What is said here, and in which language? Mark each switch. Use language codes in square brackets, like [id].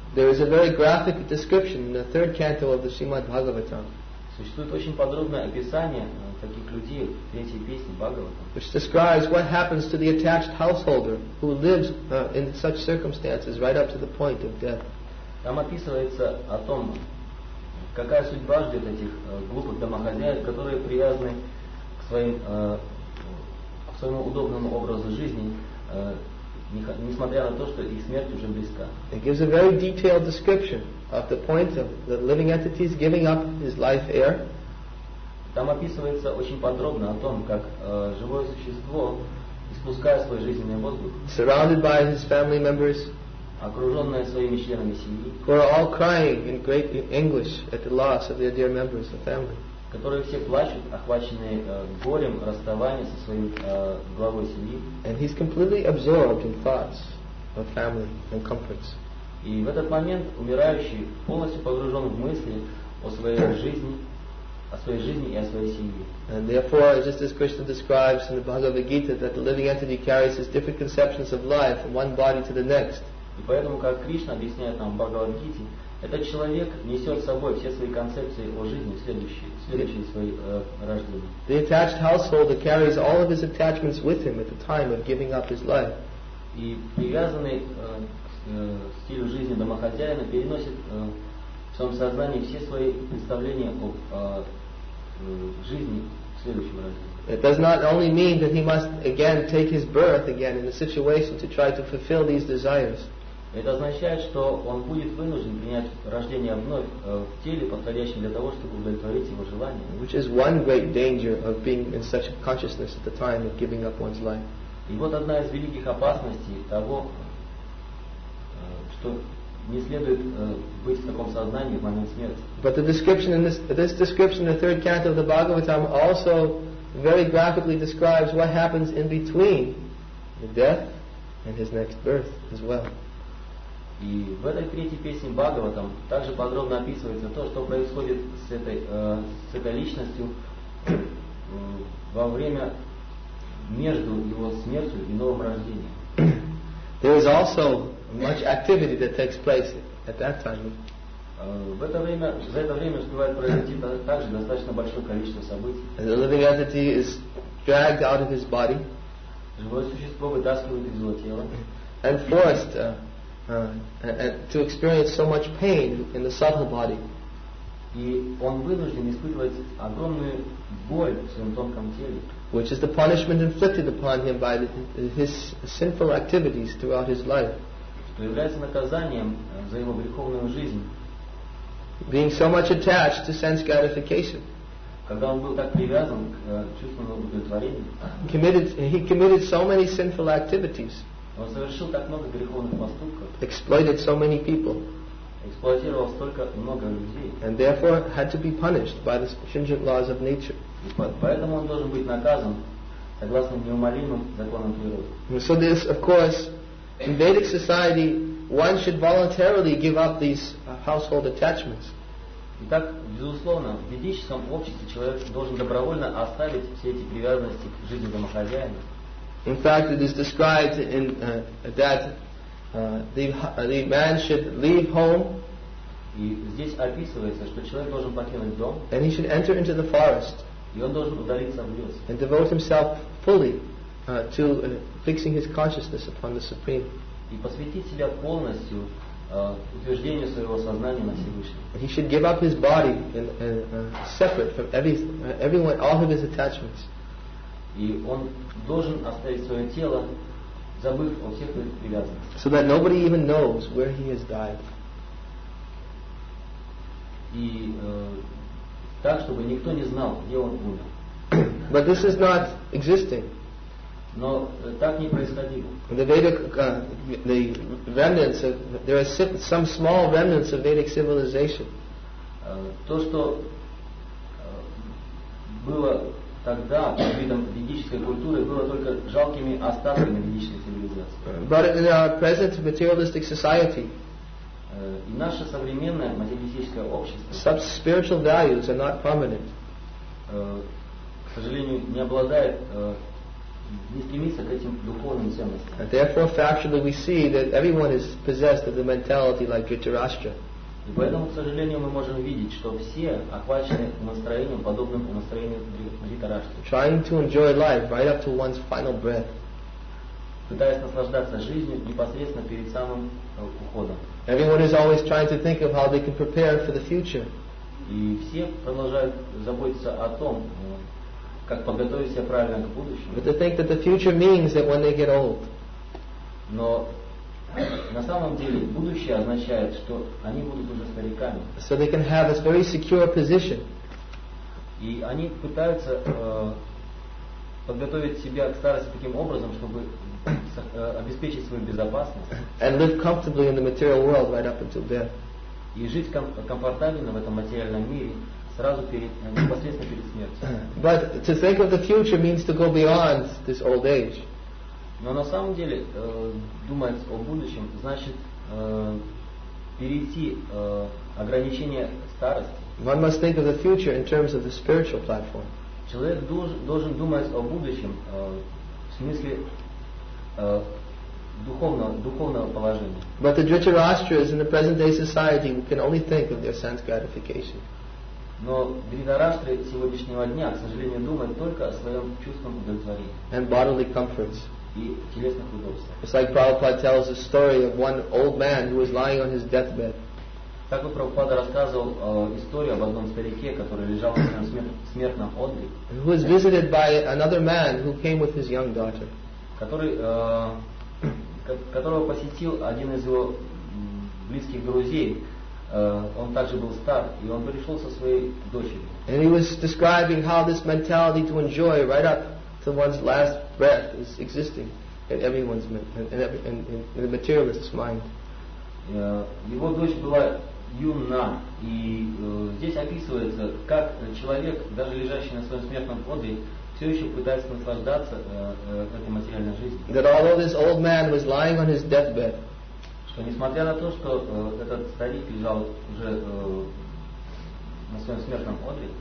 [en] There is a very graphic description in the third canto of the Srimad Bhagavatam. [ru] Существует очень подробное описание таких людей в третьей песне Бхагаватам. [en] Which describes what happens to the attached householder who lives in such circumstances right up to the point of death. [ru] Там описывается о том, какая судьба ждет этих глупых домохозяев, которые привязаны к своему удобному образу жизни. Несмотря на то, что их смерть уже близка. [en] It gives a very detailed description of the point of the living entity's giving up his life air. [ru] Там описывается очень подробно о том, как живое существо испускает свой жизненный воздух. [en] Surrounded by his family members, [ru] окруженное своими членами семьи, [en] who are all crying in great anguish at the loss of their dear members of family. [ru] Которые все плачут, охваченные горем расставания со своим главой семьи. [en] And he's completely absorbed in thoughts of family and comforts. [ru] И в этот момент умирающий полностью погружен в мысли о своей жизни, о своей жизни и о своей семье. [en] And therefore, just as Krishna describes in the Bhagavad Gita, that the living entity carries his different conceptions of life from one body to the next. [ru] И поэтому, как Кришна объясняет нам в Бхагавад Гите, этот человек несет с собой все свои концепции о жизни в следующие свои рождения. [en] The attached householder carries all of his attachments with him at the time of giving up his life. [ru] И привязанный стиль жизни домохозяина переносит в своем сознании все свои представления о жизни в следующем разделе. [en] It does not only mean that he must again take his birth again in the situation to try to fulfill these desires. [ru] Это означает, что он будет вынужден принять рождение вновь в теле, подходящем для того, чтобы удовлетворить его желания. [en] Which is one great danger of being in such a consciousness at the time of giving up one's life. [ru] И вот одна из великих опасностей того, что не следует быть в таком сознании в момент смерти. [en] But the description in this description, the third canto of the Bhagavatam, also very graphically describes what happens in between the death and his next birth as well. [ru] И в этой третьей песне Бхагаватам также подробно описывается то, что происходит с этой личностью во время между его смертью и новым рождением. [en] There is also much activity that takes place at that time. [ru] За это время успевает произойти также достаточно большое количество событий. [en] The living entity is dragged out of his body. [ru] Живое существо вытаскивают из его тела. [en] And forced to experience so much pain in the subtle body. [ru] И он вынужден испытывать огромную боль в своем тонком теле. [en] Which is the punishment inflicted upon him by his sinful activities throughout his life. [ru] Что является наказанием за его греховную жизнь. [en] Being so much attached to sense gratification. [ru] Когда он был так привязан к чувственному удовлетворению. [en] He committed so many sinful activities. [ru] Он совершил так много греховных поступков. [en] Exploited so many people. [ru] Эксплуатировал столько много людей. [en] And therefore had to be punished by the stringent laws of nature. [ru] Поэтому он должен быть наказан согласно неумолимым законам природы. [en] So this, of course, in Vedic society, one should voluntarily give up these household attachments. [ru] Итак, безусловно, в ведическом обществе человек должен добровольно оставить все эти привязанности к жизни домохозяина. [en] In fact, it is described in the man should leave home. [ru] И здесь описывается, что человек должен покинуть дом. [en] And he should enter into the forest. [ru] И он должен удалиться в лес. [en] And devote himself fully to fixing his consciousness upon the Supreme. [ru] И посвятить себя полностью утверждению своего сознания на Всевышнем. [en] He should give up his body separate from everyone, all of his attachments. [ru] И он должен оставить свое тело, забыв о всех своих привязанностях. [en] So that nobody even knows where he has died. [ru] И так, чтобы никто не знал, где он умер. [en] But this is not existing. [ru] Но так не происходило. [en] The Vedic, the remnants of, there are some small remnants of Vedic civilization. [ru] То, что было тогда под видом ведической культуры, было только жалкими остатками ведической цивилизации. [en] But in our present materialistic society, [ru] и наше современное материалистическое общество, [en] such spiritual values are not prominent. [ru] К сожалению, не обладает не стремится к этим духовным ценностям. [en] And therefore, factually, we see that everyone is possessed of the mentality like Dhritarashtra. [ru] И поэтому, к сожалению, мы можем видеть, что все охвачены настроением, подобным настроению Дхритарашты. [en] Trying to enjoy life right up to one's final breath. [ru] Пытаясь наслаждаться жизнью непосредственно перед самым уходом. [en] Everyone is always trying to think of how they can prepare for the future. [ru] И все продолжают заботиться о том, как подготовить себя правильно к будущему. [en] But they think that the future means that when they get old. [ru] Но на самом деле будущее означает, что они будут уже стариками. [en] So they can have a very secure position. [ru] И они пытаются подготовить себя к старости таким образом, чтобы обеспечить свою безопасность. [en] And live comfortably in the material world right up until death. [ru] И жить комфортабельно в этом материальном мире. Сразу перед, непосредственно перед смертью. [en] But to think of the future means to go beyond this old age. [ru] Но на самом деле думать о будущем значит перейти ограничение старости. [en] One must think of the future in terms of the spiritual platform. [ru] Человек должен думать о будущем в смысле духовного положения. [en] But the Dhritarashtras in the present day society can only think of their sense gratification. [ru] Но Дхритарашты сегодняшнего дня, к сожалению, думают только о своем чувственном удовлетворении. [en] And bodily comforts. It's like Prabhupada tells a story of one old man who was lying on his deathbed. [ru] Так Прабхупада рассказывал историю об одном старике, который лежал на смертном одре. [en] Who was visited by another man who came with his young daughter. [ru] Которого посетил один из его близких друзей. Он также был стар, и он пришел со своей дочерью. [en] And he was describing how this mentality to enjoy right up to one's last breath is existing in everyone's in the materialist's mind. [ru] Его дочь была юна, и здесь описывается, как человек, даже лежащий на своем смертном одре, все еще пытается наслаждаться этой материальной жизнью. [en] That although this old man was lying on his deathbed, [ru] что несмотря на то, что этот старик лежал уже на своем смертном одре,